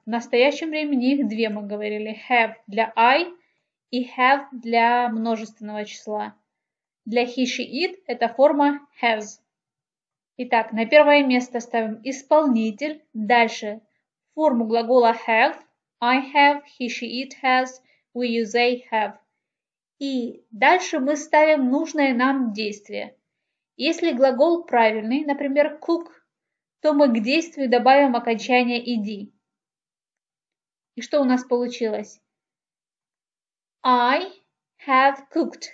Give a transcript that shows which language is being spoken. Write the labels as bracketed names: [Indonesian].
[Russian] В настоящем времени их две, мы говорили. Have для I и have для множественного числа. Для [English] he, she, it [Russian] это форма has. Итак, на первое место ставим исполнитель. Дальше форму глагола have. [English] I have, he, she, it has, we, you, they have. [Russian] И дальше мы ставим нужное нам действие. Если глагол правильный, например, cook, то мы к действию добавим окончание ed. И что у нас получилось? [English] I have cooked.